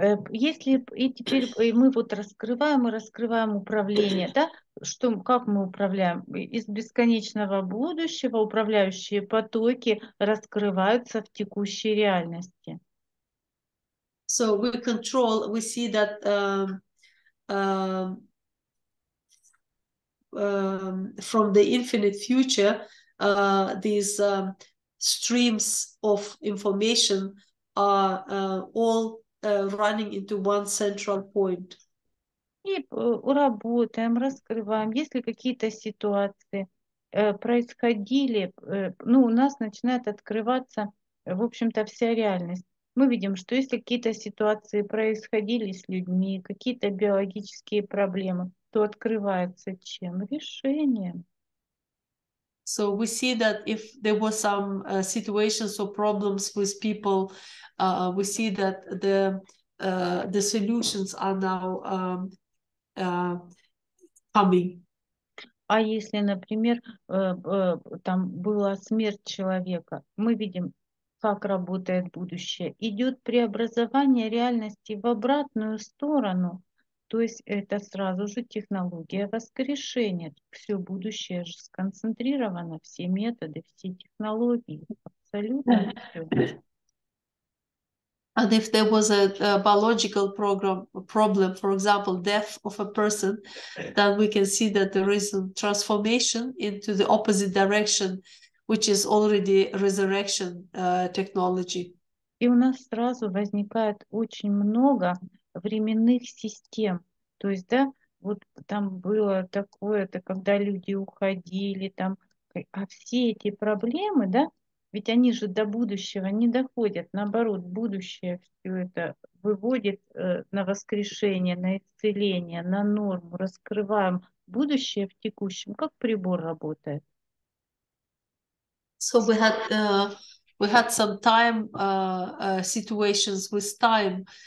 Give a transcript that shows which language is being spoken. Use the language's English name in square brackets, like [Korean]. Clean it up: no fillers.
[Russian] Если и теперь мы вот раскрываем управление, да, что как мы управляем? Из бесконечного будущего управляющие потоки раскрываются в текущей реальности. [English] So we control, we see that from the infinite future these streams of information are all running into one central point. [Russian] И работаем, раскрываем, если какие-то ситуации происходили, у нас начинает открываться, в общем-то, вся реальность. Мы видим, что если какие-то ситуации происходили с людьми, какие-то биологические проблемы, то открывается чем? Решением. [English] So we see that if there were some situations or problems with people, we see that the solutions are now coming. [Russian] А если, например, там была смерть человека, мы видим, как работает будущее, идет преобразование реальности в обратную сторону. То есть это сразу же технология воскрешения. Все будущее же сконцентрировано, все методы, все технологии. Абсолютно все. [English] And if there was a biological problem, for example, death of a person, then we can see that there is a transformation into the opposite direction, which is already resurrection technology. [Russian] И у нас сразу возникает очень много временных систем. То есть, да, вот там было такое-то, когда люди уходили там, а все эти проблемы, да, ведь они же до будущего не доходят. Наоборот, будущее все это выводит на воскрешение, на исцеление, на норму. Раскрываем будущее в текущем. Как прибор работает? [English] So we had some time situations with time.